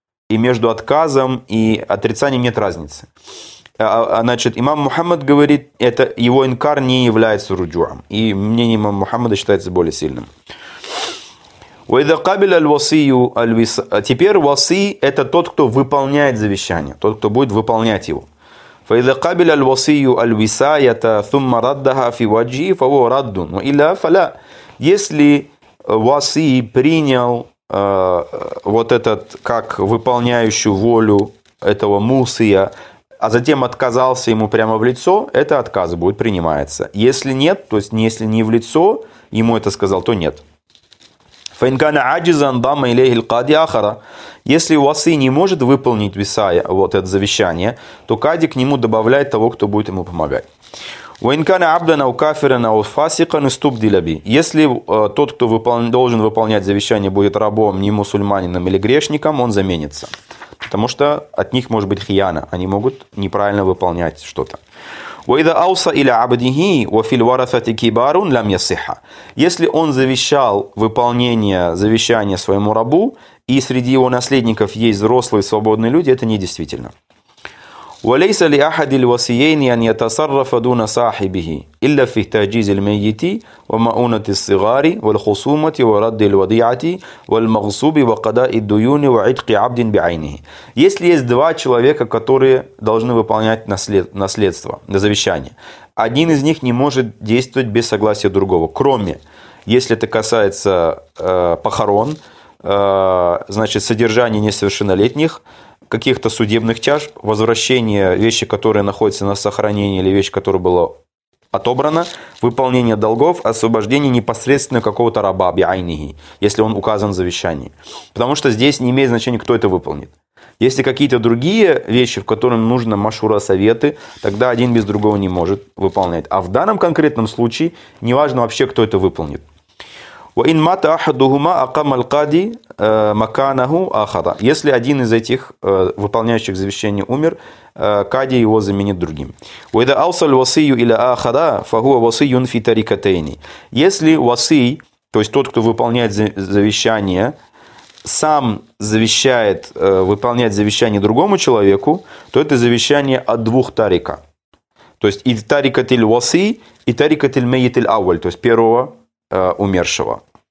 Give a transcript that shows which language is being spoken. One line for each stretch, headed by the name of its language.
Russian: И между отказом и отрицанием нет разницы. Значит, имам Мухаммад говорит, это его инкар не является руджуа. И мнение имама Мухаммада считается более сильным.
Arabic: Уайда кабиль аль-васию аль-виса.
Russian: Теперь васы – это тот, кто выполняет завещание, тот, кто будет выполнять его.
Arabic: فإذا قبل الوصي الوصاية ثم ردها في وجهه فهو رد وإلا فلا.
Russian: Если васи принял вот этот как выполняющую волю этого мусия, а затем отказался ему прямо в лицо, это отказ будет принимается. Если нет, то есть если не в лицо ему это сказал, то нет.
Arabic: فإن كان عاجزا انضم إليه القاضي آخر.
Russian: Если васи не может выполнить висая, вот это завещание, то кади к нему добавляет того, кто будет ему помогать.
Arabic: وإن كان عبدًا أو كافرًا أو فاسقًا استبدل به.
Russian: Если тот, кто должен выполнять завещание, будет рабом, не мусульманином или грешником, он заменится. Потому что от них может быть хияна, они могут неправильно выполнять что-то.
Arabic: وإذا أوصى إلى عبده وفي الورثة كبار لم يصح.
Russian: Если он завещал выполнение завещания своему рабу, и среди его наследников есть взрослые свободные люди, это недействительно.
Arabic: وليس لأحد الوصيين أن يتصرف دون صاحبه إلا في تجهيز الميت ومؤونة الصغار والخصومة ورد الوديعة والمغصوب وقضاء الديون وعتق عبد بعينه.
Russian: Если есть два человека, которые должны выполнять наследство, завещание, один из них не может действовать без согласия другого, кроме если это касается похорон, значит, содержание несовершеннолетних, каких-то судебных тяжб, возвращение вещи, которые находятся на сохранении, или вещи, которая была отобрана, выполнение долгов, освобождение непосредственно какого-то раба, биайниги, если он указан в завещании. Потому что здесь не имеет значения, кто это выполнит. Если какие-то другие вещи, в которых нужно машура, советы, тогда один без другого не может выполнять. А в данном конкретном случае неважно вообще, кто это выполнит.
Arabic: وإن مات أحدهما أقام القاضي مكانه آخر.
Russian: Если один из этих выполняющих завещание умер, кади его заменит другим.
Arabic: وإذا أوصى الوصي إلى آخر فهو وصي في تركتين.
Russian: Если васи, то есть тот, кто выполняет завещание, сам завещает выполнять завещание другому человеку, то это завещание от двух тарика. То есть и тарика тель васи, и тарика тель мейт тель ауль, то есть первого умершего.